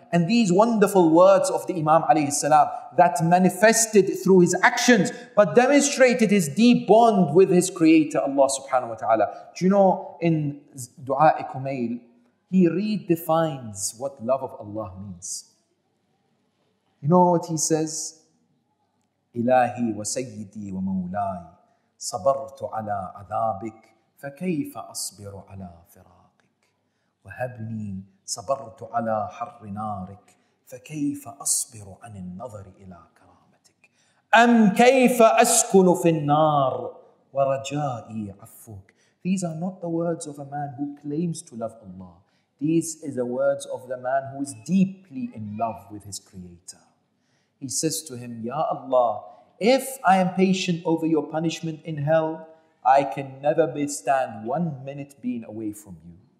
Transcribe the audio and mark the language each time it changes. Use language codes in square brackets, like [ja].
[en] And these wonderful words of the Imam alayhi salam that manifested through his actions, but demonstrated his deep bond with his creator, Allah subhanahu wa ta'ala. Do you know, in Dua'i Kumayl, he redefines what love of Allah means. You know what he says? [ar] إلهي وسيدي ومولاي صبرت على عذابك فكيف أصبر على فراقك وهبني صبرت على حر نارك فكيف أصبر عن النظر إلى كرامتك أم كيف أسكن في النار ورجائي عفوك. [en] These are not the words of a man who claims to love Allah. These are the words of the man who is deeply in love with his creator. He says to him, Ya Allah, if I am patient over your punishment in hell, I can never withstand 1 minute being away from you.